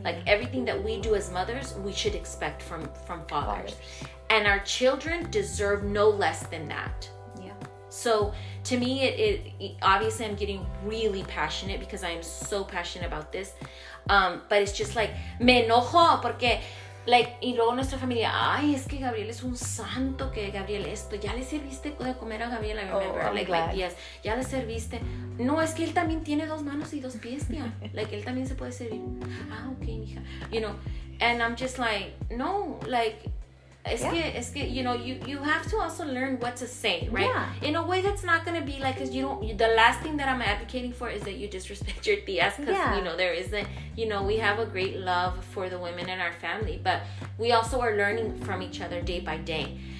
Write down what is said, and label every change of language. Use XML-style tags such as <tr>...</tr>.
<en>Like everything that we do as mothers, we should expect from fathers. And our children deserve no less than that. Yeah. So to me, it obviously I'm getting really passionate because I am so passionate about this. But it's just like,</en> <es>me enojo porque... Like, y luego nuestra familia, ay, es que Gabriel es un santo, que Gabriel esto, ya le serviste de comer a Gabriel,</es> <en>I remember, oh, like</en> <es>días, ya le serviste. No, es que él también tiene dos manos y dos pies, tía. Like, él también se puede servir. Ah, okay, mija.</es> <en>You know, and I'm just like, no, like, es que, you know, you have to also learn what to say, right? Yeah. In a way that's not going to be like, because the last thing that I'm advocating for is that you disrespect your tías, because, yeah. You know, there isn't, you know, we have a great love for the women in our family, but we also are learning from each other day by day.</en>